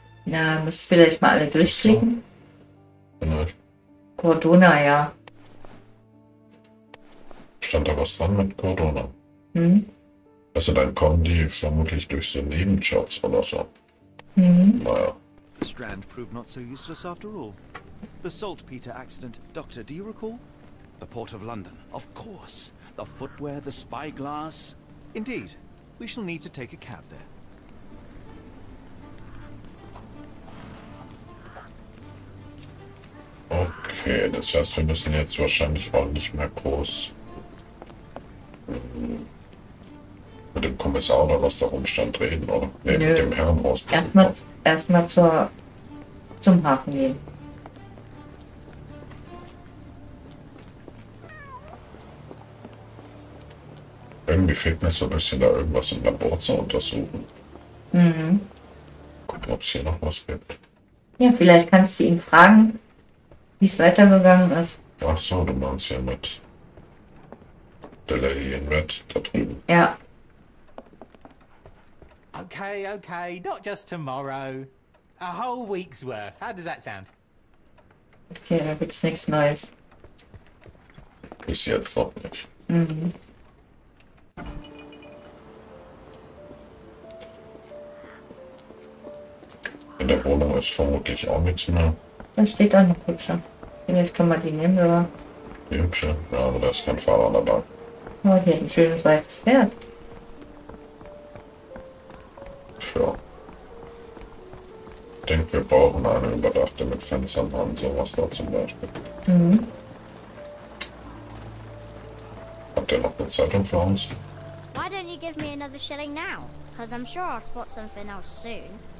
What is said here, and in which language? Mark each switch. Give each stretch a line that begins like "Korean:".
German: Na, müsst vielleicht mal alle durchklicken. Genau. Cordona, ja. Stand da was dran mit Cordona? Mhm. Also dann kommen die vermutlich durch so Nebenjobs oder so. Mhm. Naja.
English: The Strand proved not so useless after all. The Saltpeter accident, Doctor, do you recall? The Port of London, of course. The footwear, the spyglass. Indeed, we shall need to take a cab there.
German: Okay, das heißt, wir müssen jetzt wahrscheinlich auch nicht mehr groß mit dem Kommissar oder was da rumstand reden, oder? Nee, mit dem Herrn aus. Erstmal zum Hafen gehen. Irgendwie fehlt mir so ein bisschen, da irgendwas im Labor zu untersuchen. Mhm. Gucken, ob es hier noch was gibt. Ja, vielleicht kannst du ihn fragen, wie es weitergegangen ist. Ach so, du meinst ja mit der Lady in Red da drüben. Ja.
English: Okay, okay, not just tomorrow. A whole week's worth. How does that sound?
German: Okay, da gibt's nichts Neues. Bis jetzt noch nicht. Mhm. In der Wohnung ist vermutlich auch nichts mehr. Da steht auch eine Kutsche. Jetzt kann man die nehmen, oder? Die Hübsche? Ja, aber da ist kein Fahrer dabei. Oh, hier ein schönes weißes Pferd. Tja. Ich denke, wir brauchen eine Überdachte mit Fenstern und sowas da zum Beispiel. Mhm. Habt ihr noch eine Zeitung für uns?
English: Why don't you give me another shilling now? Cause I'm sure I'll spot something else soon.